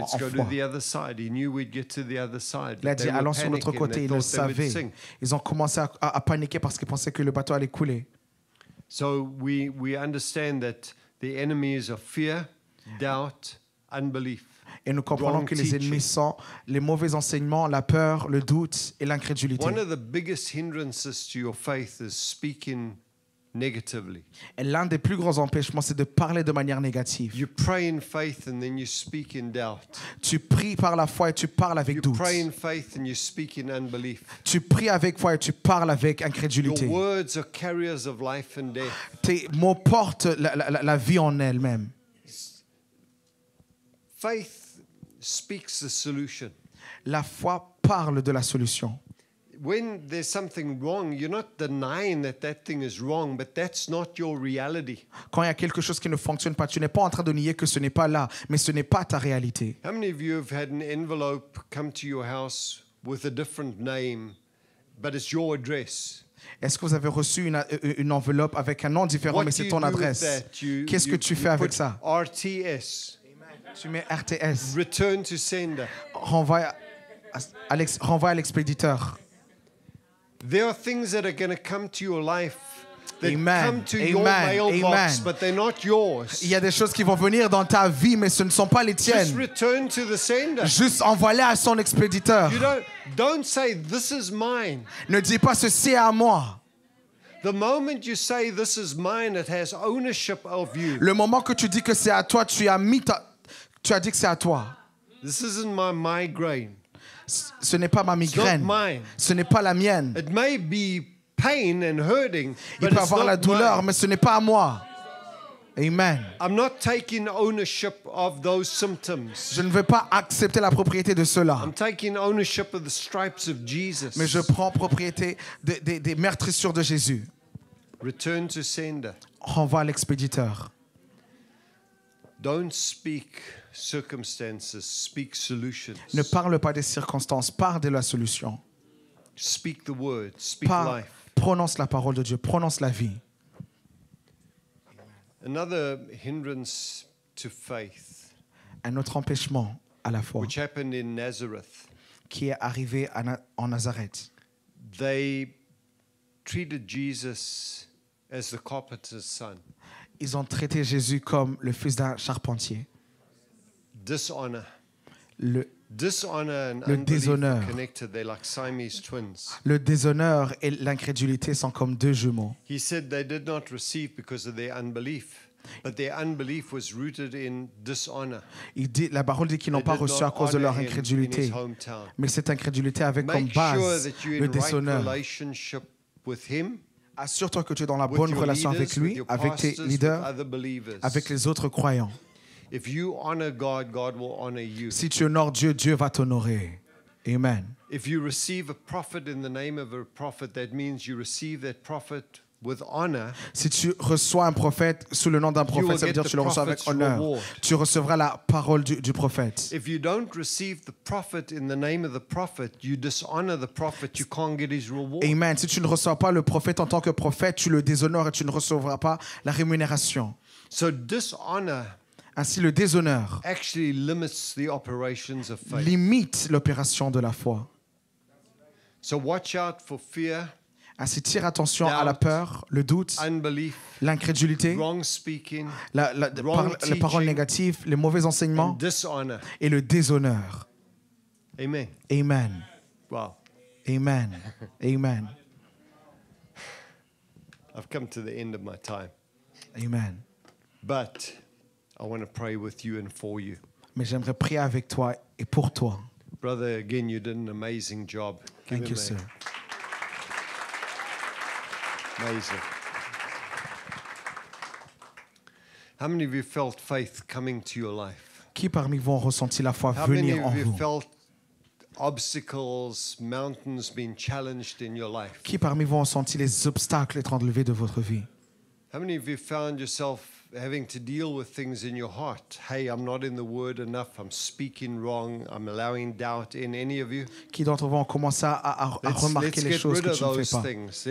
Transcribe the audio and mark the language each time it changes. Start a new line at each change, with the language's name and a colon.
English: Let's go to the other side. He knew we'd get to the other side.
French: Il a dit, allons sur l'autre côté. Ils le savaient. Ils ont commencé à paniquer parce qu'ils pensaient que le bateau allait couler.
English: So we understand that the enemies are fear, doubt, unbelief.
French: et nous comprenons que les ennemis sont les mauvais enseignements, la peur, le doute et l'incrédulité.
English: One of the biggest hindrances to your faith is speaking negatively.
French: Et l'un des plus gros empêchements, c'est de parler de manière négative.
English: You pray in faith and then you speak in doubt.
French: Tu pries par la foi et tu parles avec doute.
English: You pray in faith and you speak in unbelief.
French: Tu pries avec foi et tu parles avec incrédulité.
English: Your words are carriers of life and death.
French: Tes mots portent la vie en elle-même.
English: Faith speaks the solution.
French: La foi parle de la solution.
English: When there's something wrong, you're not denying that that thing is wrong, but that's not your reality.
French: Quand il y a quelque chose qui ne fonctionne pas, tu n'es pas en train de nier que ce n'est pas là, mais ce n'est pas ta réalité.
English: How many of you have had an envelope come to your house with a different name, but it's your address?
French: Est-ce que vous avez reçu une enveloppe avec un nom différent, mais c'est ton adresse? Qu'est-ce que tu fais avec ça?
English: RTS.
French: Tu mets RTS.
English: Return to sender.
French: Renvoie à l'expéditeur.
English: There are things that are going to come to your life that Amen. Come to Amen. Your mailbox, Amen. But they're not yours.
French: Il y a des choses qui vont venir dans ta vie, mais ce ne sont pas les tiennes.
English: Just return to the sender.
French: Juste envoie-les à son expéditeur.
English: You don't say this is mine.
French: Ne dis pas ceci est à moi.
English: The moment you say this is mine, it has ownership of you.
French: Le moment que tu dis que c'est à toi, tu as dit que c'est à toi.
English: This isn't my migraine.
French: Ce n'est pas ma migraine. Ce n'est pas la mienne.
English: It may be pain and hurting,
French: il peut avoir la douleur,
English: mine.
French: Mais ce n'est pas à moi. Amen.
English: I'm not taking ownership of those symptoms.
French: Je ne vais pas accepter la propriété de cela.
English: I'm taking ownership of the stripes of Jesus.
French: Mais je prends propriété des meurtrissures de Jésus.
English: Return to sender.
French: Renvoie à l'expéditeur.
English: Don't speak circumstances, speak solutions.
French: Ne parle pas des circonstances, parle de la solution.
English: Speak the word, speak life.
French: Prononce la parole de Dieu, prononce la vie.
English: Another hindrance to faith.
French: Un autre empêchement à la foi.
English: Which happened in Nazareth.
French: Qui est arrivé en Nazareth.
English: They treated Jesus as the carpenter's son.
French: Ils ont traité Jésus comme le fils d'un charpentier.
English: Dishonor. Dishonor and unbelief
French: déshonneur.
English: Are connected. They're like Siamese twins.
French: Le déshonneur et l'incrédulité sont comme deux jumeaux.
English: He said they did not receive because of their unbelief, but their unbelief was rooted in dishonor.
French: Il dit, la parole dit qu'ils n'ont
English: they
French: pas reçu à cause de leur incrédulité, mais cette incrédulité avait
English: Make
French: comme base
English: sure that you're
French: le déshonneur.
English: Right relationship with him.
French: Assure-toi que tu es dans la bonne relation avec lui, avec tes leaders, avec les autres croyants.
English: If you honor God, God will honor you.
French: Si tu honores Dieu, Dieu va t'honorer. Amen.
English: If you receive a prophet in the name of a prophet, that means you receive that prophet with honor.
French: Si tu reçois un prophète sous le nom d'un prophète, ça veut dire que tu le reçois avec honneur. Tu recevras la parole du prophète.
English: If you don't receive the prophet in the name of the prophet, you dishonor the prophet. You can't get his reward. Amen.
French: Si tu ne reçois pas le prophète en tant que prophète, tu le déshonores et tu ne recevras pas la rémunération.
English: So dishonor.
French: Ainsi, le déshonneur
English: actually limits the operations of faith.
French: Limite l'opération de la foi.
English: So watch out for fear.
French: Ainsi, tire attention à la peur, le doute,
English: unbelief,
French: l'incrédulité,
English: wrong speaking,
French: les paroles négatives, les mauvais enseignements
English: and dishonor.
French: Et le déshonneur.
English: Amen. Amen. Wow. Amen. Amen. I've come to the end of my time. Amen. But I want to pray with you and for you.
French: Mais j'aimerais prier avec toi et pour toi.
English: Brother, again, you did an amazing job. Give Thank you, a... sir. Amazing. How many of you felt faith coming to your life?
French: Qui parmi vous ont ressenti la foi venir en vous?
English: How many of you felt obstacles, mountains being challenged in your life?
French: Qui parmi vous ont senti les obstacles être enlevés de votre vie?
English: How many of you found yourself having to deal with things in your heart? Hey, I'm not in the word enough. I'm speaking wrong. I'm allowing doubt in any of you.
French: Qui d'entre vous ont commencé à remarquer les choses que tu ne fais pas?